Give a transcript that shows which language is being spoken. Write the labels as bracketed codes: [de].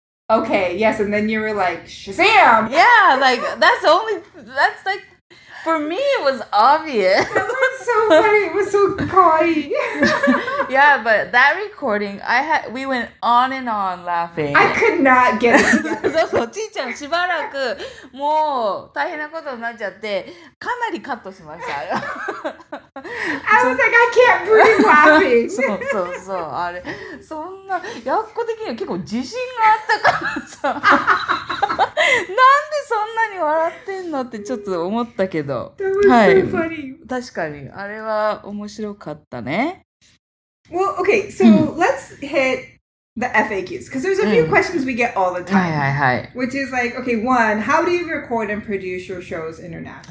[en] Okay, yes, and then you were like Shazam. Yeah, like that's like for me it was obvious. That was so funny. It was so kawaii. Yeah, but that recording, we went on and on laughing. I could not get [ja] it. そうそう、ちーちゃんしばらくもう大変なことになっちゃって、かなりカットしました。 [en] I was like, I can't breathe laughing. [ja] そうそうそう、あれ、そんな、やっこ的には結構自信があったからさ。なんでそんなに笑ってんのってちょっと思ったけど。 [en] That was so funny. [ja] 確かに、あれは面白かったね。 [en] Well, okay, so let's hit The FAQs. Because there's a few questions we get all the time. [ja] はいはいはい。 [en] Which is like, okay, one, how do you record and produce your shows internationally?